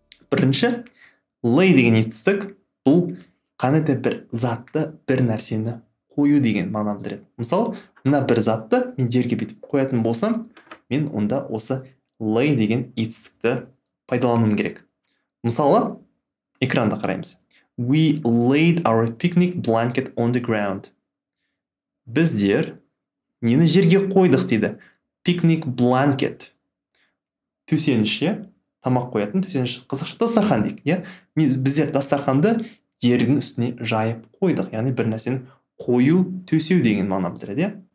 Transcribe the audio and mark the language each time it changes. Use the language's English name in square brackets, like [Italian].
[Kazakh] Бірінші, lay деген етістік бұл қандай да бір затты, бір нәрсені қою деген мағынаны білдіреді. Мысалы, мына бір затты мен жерге бүйтіп қоятын болсам, мен онда осы lay деген етістікті пайдалануым керек. Мысалы, экранда қараймыз. [English] We laid our picnic blanket on the ground. [Kazakh] Біздер нені жерге қойдық дейді. [English] Picnic blanket. [Kazakh] Төсеніш, тамақ қоятын төсеніш. Қызықша дастархан дейік. Біздер дастарханды жердің үстіне жайып қойдық. Яғни бір нәрсені қою, төсеу деген мағына білдіреді.